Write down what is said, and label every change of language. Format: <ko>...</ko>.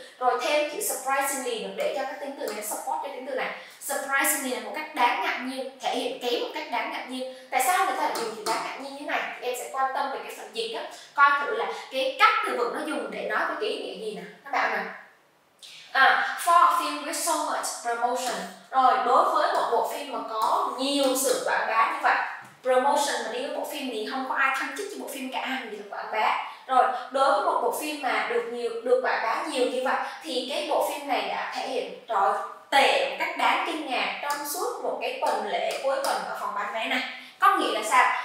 <vi>Rồi thêm chữ surprisingly được để cho cái tính từ này support cho tính từ này. Surprisingly là một cách đáng ngạc nhiên, thể hiện kém một cách đáng ngạc nhiên. Tại sao người ta lại dùng chữ đáng ngạc nhiên như này? Thì em sẽ quan tâm về cái phần dịch á, coi thử là cái cách từ vựng nó dùng để nói có ý nghĩa gì nè các bạn ạ.</vi> <en>For a film with so much promotion.</en> <vi>Rồi, đối với một bộ phim mà có nhiều sự quảng bá như vậy, promotion mà đi với bộ phim thì không có ai thân chức cho bộ phim cả, hàng gì là quảng bá. Rồi, đối với một bộ phim mà được quảng bá nhiều như vậy thì cái bộ phim này đã thể hiện rồi tệ một cách đáng kinh ngạc trong suốt một cái tuần lễ cuối tuần ở phòng bán vé này. Có nghĩa là sao?</vi>